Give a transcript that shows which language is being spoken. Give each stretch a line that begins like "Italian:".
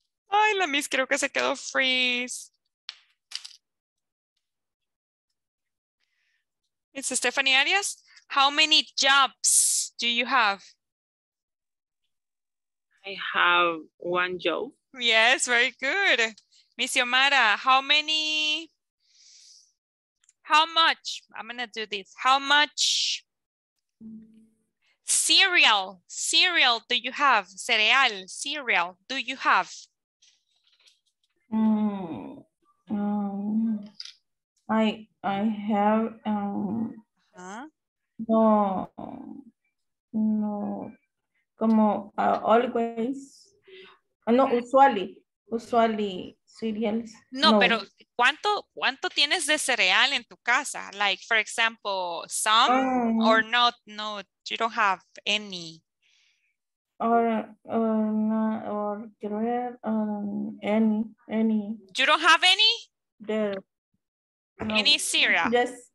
Spanish: Ay, la Miss creo que se quedó freeze.
English: Miss Stephanie Arias, how many jobs do you have? I have one job. Yes, very good. Miss Yomara, how much cereal do you have? Cereal do you have? Usually cereals.
Spanish: Pero ¿cuánto tienes de cereal en tu casa?
English: Like, for example, no, you don't have any. You don't have any? No. Any cereal? Yes.